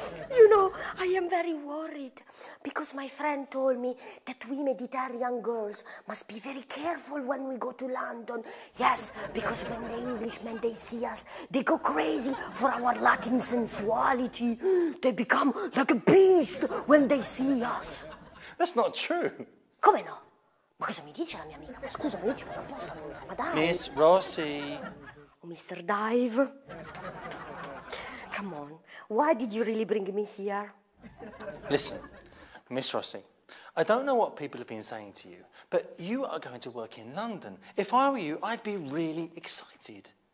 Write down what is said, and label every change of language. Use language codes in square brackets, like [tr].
[en] You know, I am very worried, because my friend told me that we Mediterranean girls must be very careful when we go to London. Yes, because when the Englishmen, they see us, they go crazy for our Latin sensuality. They become like a beast when they see us. That's not true. [it] Come no? Ma cosa mi dice la mia amica? Ma scusa, ma io ci vado apposta a Londra, ma dai. [en] Miss Rossi. Oh, Mr. Dive. Come on, why did you really bring me here? Listen, Miss Rossi, I don't know what people have been saying to you, but you are going to work in London. If I were you, I'd be really excited.